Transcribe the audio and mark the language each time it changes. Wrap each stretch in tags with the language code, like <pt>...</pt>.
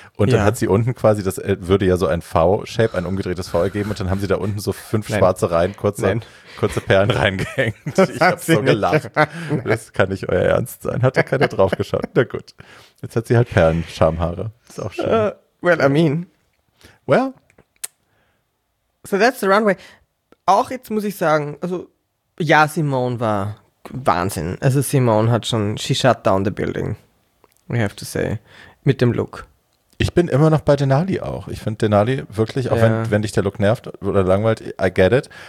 <de>Und dann hat sie unten quasi, das würde ja so ein V-Shape, ein umgedrehtes V geben, und dann haben sie da unten so fünf schwarze Reihen, kurze Perlen reingehängt. Ich habe so gelacht. Das kann nicht euer Ernst sein. Hat da keiner drauf geschaut. Na gut. Jetzt hat sie halt Perlen-Schamhaare. Ist auch schön.</de> <en>Well, so that's the runway.</en> <de>Auch jetzt muss ich sagen, also ja, Simone war Wahnsinn. Also Simone hat schon,</de> <en>she shut down the building, we have to say,</en> <de>mit dem Look. Ich bin immer noch bei Denali auch. Ich finde Denali wirklich, auch wenn dich der Look nervt oder langweilt,</de> <en>I get it.</en>